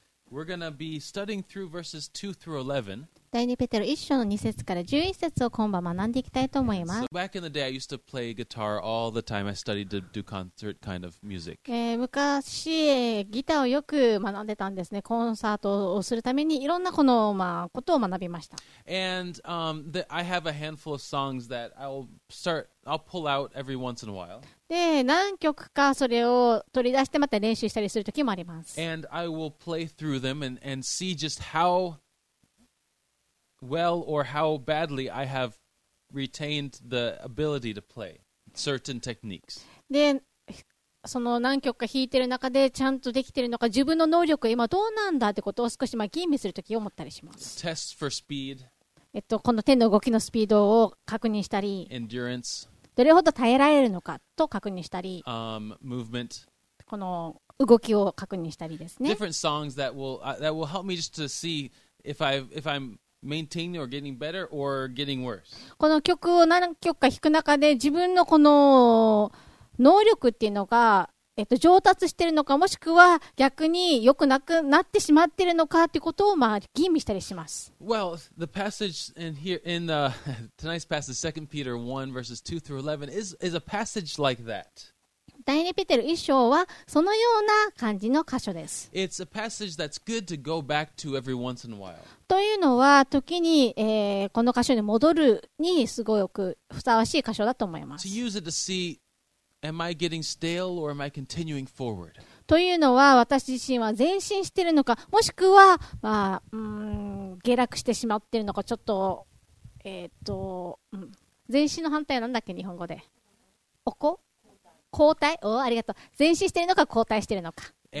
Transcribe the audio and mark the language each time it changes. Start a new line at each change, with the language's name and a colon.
English: We're going to be studying through verses 2 through 11.
Japanese: 第2ペテロ1章の2節から11節を今晩学んでいきたいと思います。
English: So、back in the day, I used to play guitar all the time. I studied to do concert kind of music.
Japanese: 昔、ギターをよく学んでたんですね。コンサートをするためにいろんなこの、まあ、ことを学びました。
English: And、I have a handful of songs that I'll pull out every once in a while.
Japanese: で、何曲かそれを取り出してまた練習したりするときもあります。
English: And I will play through them and see just howWell, or how badly I have retained the ability to play certain techniques.
Japanese: で、その何曲か弾いてる中でちゃんとできてるのか、自分の能力は今どうなんだってことを少しまあ吟味するとき思ったりします。
English: Test for speed.
Japanese: この手の動きのスピードを確認したり、
English: Endurance.
Japanese: どれほど耐えられるのかと確認したり、
English: Movement.
Japanese: この動きを確認したりですね。
English: Different songs that will help me just to see if I'm maintaining or getting better or getting worse.
Japanese: この曲を何曲か弾く中で自分のこの能力っていうのが上達してるのか、もしくは逆に良くなくなってしまってるのかっていうことをまあ吟味したりします。
English: Well, the passage in tonight's passage, 2 Peter 1 verses 2 through 11 is a passage like that.
Japanese: 第二ペテロ一章はそのような感じの箇所です。
English: It's a passage that's good to go back to every once in a while.
Japanese: というのは時に、この箇所に戻るにすごくふさわしい箇所だと思います。
English: To use it to see, am I getting stale or am I continuing forward?
Japanese: というのは私自身は前進しているのか、もしくは、まあ、下落してしまっているのか、ちょっと、前進の反対は何だっけ日本語で、おこ後退、おありがとう、前進しているのか後退しているのか、